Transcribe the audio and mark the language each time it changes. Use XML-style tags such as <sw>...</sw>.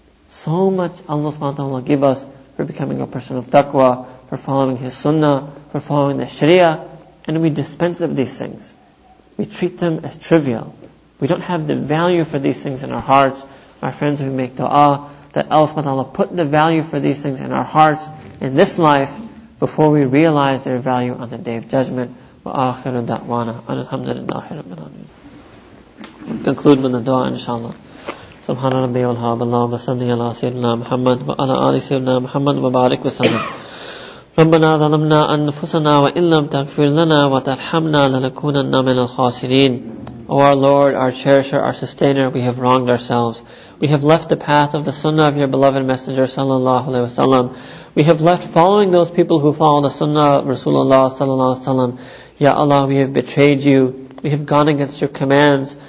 <en>So much Allah subhanahu wa ta'ala give us for becoming a person of taqwa, for following His sunnah, for following the sharia, and we dispense of these things. We treat them as trivial. We don't have the value for these things in our hearts. My friends, we make dua that Allah subhanahu wa ta'ala put the value for these things in our hearts in this life before we realize their value on the Day of Judgment.</en> <ar>وآخر دعوانا أن الحمد لله رب العالمين.</ar> <en>Conclude with the dua, inshallah.</en> <ar>سبحان ربي والحمد لله وصلى على سيدنا محمد وعلى آل سيدنا محمد وبارك وسلم. ربنا ظلمنا أنفسنا وإن لم تغفر لنا وترحمنا لنكونن من الخاسرين.</ar> <en>O our Lord, our Cherisher, our Sustainer, we have wronged ourselves. We have left the path of the Sunnah of Your beloved Messenger, sallallahu alaihi wasallam. We have left following those people who follow the Sunnah of Rasulullah, sallallahu alaihi wasallam. Ya Allah, we have betrayed You. We have gone against Your commands.</en>